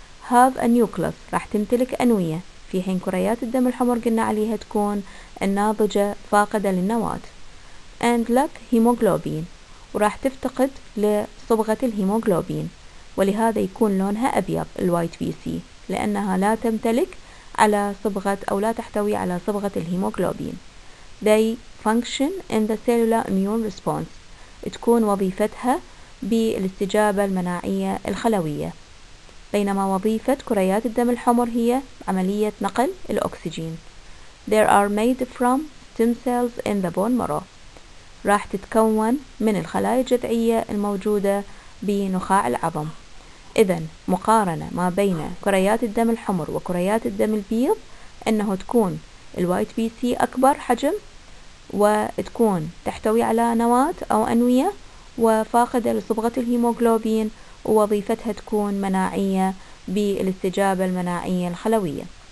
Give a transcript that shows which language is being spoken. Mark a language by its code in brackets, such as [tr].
[en] have a nucleus [ar] راح تمتلك أنوية في حين كريات الدم الحمر قلنا عليها تكون الناضجة فاقدة للنواة [en] and lack hemoglobin [ar] وراح تفتقد لصبغة الهيموغلوبين ولهذا يكون لونها أبيض الوايت بي سي لأنها لا تمتلك على صبغة أو لا تحتوي على صبغة الهيموغلوبين. [en] They function in the cellular immune response. [ar] تكون وظيفتها بالاستجابة المناعية الخلوية. بينما وظيفة كريات الدم الحمر هي عملية نقل الأكسجين. [en] They are made from stem cells in the bone marrow. [ar] راح تتكون من الخلايا الجذعية الموجودة بنخاع العظم. إذن مقارنة ما بين كريات الدم الحمر وكريات الدم البيض أنه تكون الوايت بي سي أكبر حجم وتكون تحتوي على نواة أو أنوية وفاقدة لصبغة الهيموغلوبين ووظيفتها تكون مناعية بالاستجابة المناعية الخلوية.